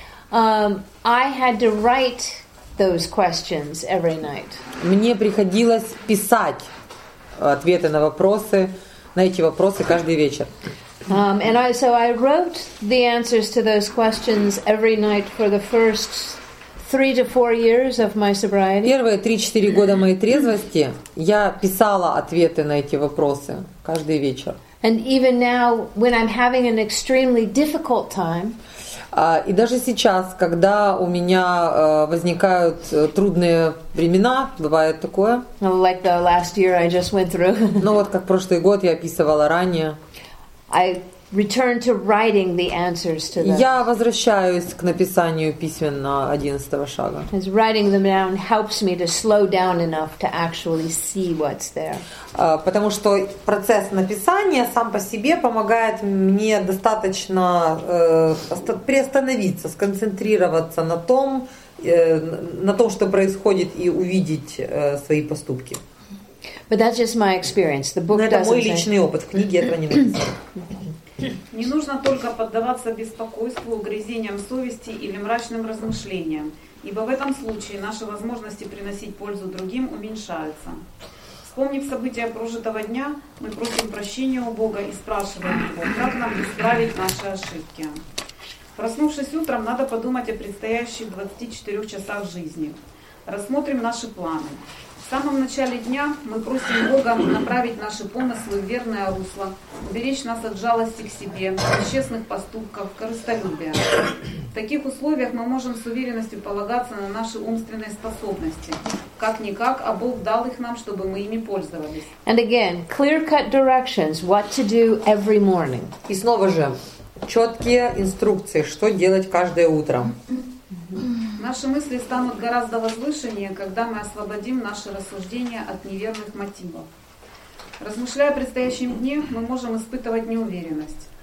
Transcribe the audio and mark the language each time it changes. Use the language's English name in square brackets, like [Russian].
[English] I had to write those questions every night. [Russian] Мне приходилось писать ответы на вопросы, на эти вопросы каждый вечер. [English] And I, so I wrote the answers to those questions every night for the first 3 to 4 years of my sobriety. [Russian] Первые 3-4 года моей трезвости я писала ответы на эти вопросы каждый вечер. [English] And even now, when I'm having an extremely difficult time, [Russian] и даже сейчас, когда у меня возникают трудные времена, бывает такое. [English] Like the last year I just went through. [Russian] Ну вот как прошлый год я описывала ранее. [English] I return to writing the answers to them. [Russian] Я возвращаюсь к написанию письменно 11-го шага. [English] Because writing them down helps me to slow down enough to actually see what's there. [Russian] Потому что процесс написания сам по себе помогает мне достаточно приостановиться, сконцентрироваться на том, что происходит, и увидеть свои поступки. [English] But that's just my experience. The book [Russian] это мой личный опыт. В книге этого не написано. Не нужно только поддаваться беспокойству, угрызениям совести или мрачным размышлениям, ибо в этом случае наши возможности приносить пользу другим уменьшаются. Вспомнив события прожитого дня, мы просим прощения у Бога и спрашиваем Его, как нам исправить наши ошибки. Проснувшись утром, надо подумать о предстоящих 24 часах жизни. Рассмотрим наши планы. В самом начале дня мы просим Бога направить наши помыслы в верное русло, уберечь нас от жалости к себе, бесчестных поступков, корыстолюбия. В таких условиях мы можем с уверенностью полагаться на наши умственные способности. Как-никак, а Бог дал их нам, чтобы мы ими пользовались. [English] And again, clear-cut directions, what to do every morning. [Russian] И снова же, четкие инструкции, что делать каждое утро. Наши мысли станут гораздо возвышеннее, когда мы освободим наши рассуждения от неверных мотивов. Размышляя о предстоящем дне, мы можем испытывать неуверенность.